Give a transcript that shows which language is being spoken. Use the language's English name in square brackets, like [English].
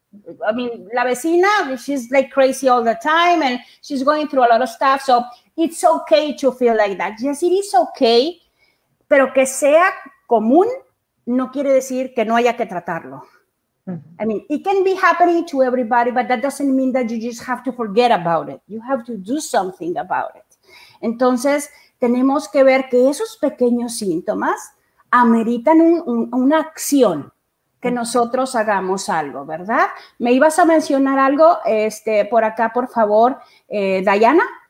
[English] I mean, [Spanish] la vecina, [English] she's like crazy all the time and she's going through a lot of stuff. So it's okay to feel like that. Yes, it is okay, [Spanish] pero que sea común no quiere decir que no haya que tratarlo. [English] I mean, it can be happening to everybody, but that doesn't mean that you just have to forget about it. You have to do something about it. [Spanish] Entonces, tenemos que ver que esos pequeños síntomas ameritan una acción, que nosotros hagamos algo, ¿verdad? ¿Me ibas a mencionar algo por acá, por favor, Diana?